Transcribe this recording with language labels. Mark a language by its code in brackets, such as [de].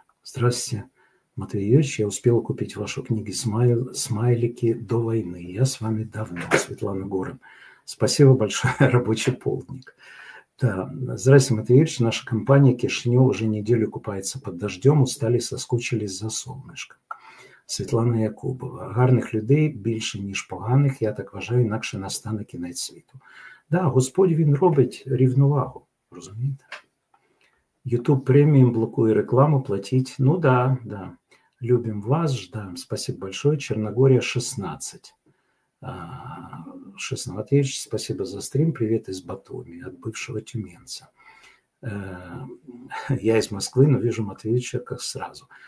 [ru] Здравствуйте, Матвей Юрьевич. Я успела купить вашу книгу «Смайлики до войны». Я с вами давно, Светлана Горин. Спасибо большое, рабочий полдник. Да. Здравствуйте, Матвей Юрьевич. Наша компания Кишинев уже неделю купается под дождем. Устали, соскучились за солнышком. Светлана Якубова. [uk] Гарних людей більше, ніж поганих. Я так вважаю, інакше настане кінець світу. Да, Господь, він робить рівновагу, розумієте? YouTube премиум блокує рекламу, платить. [ru] Ну да, да. Любим вас, ждем. Спасибо большое. Черногория, 16. 16 тысяч. Спасибо за стрим. Привет из Батуми, от бывшего тюменца. Я из Москвы, но вижу Матвеевича как сразу.